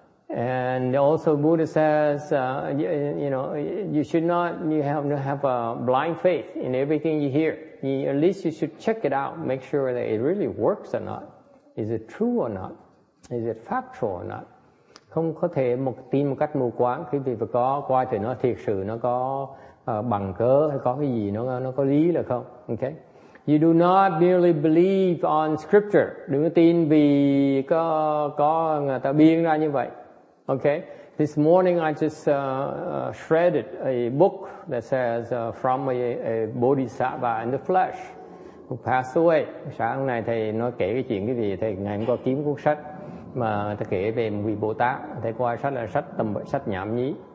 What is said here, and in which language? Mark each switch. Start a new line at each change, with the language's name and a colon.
English: And also Buddha says you have a blind faith in everything you hear. At least you should check it out, make sure that it really works or not. Is it true or not? Is it factual or not?
Vietnamese: Không có thể một tin một cách mù quáng, khi vì có coi thì nó thiệt sự, nó có bằng cớ hay có cái gì nó có lý là không. Okay.
English: You do not merely believe on scripture.
Vietnamese: Đừng có tin vì có người ta biên ra như vậy. Okay.
English: This morning I just shredded a book that says from a Bodhisattva in the flesh who passed away.
Vietnamese: Sáng nay thầy nói kể cái chuyện cái gì, thầy ngày hôm qua kiếm cuốn sách mà thầy kể về một vị Bồ Tát, thầy qua sách là sách tầm sách nhảm nhí.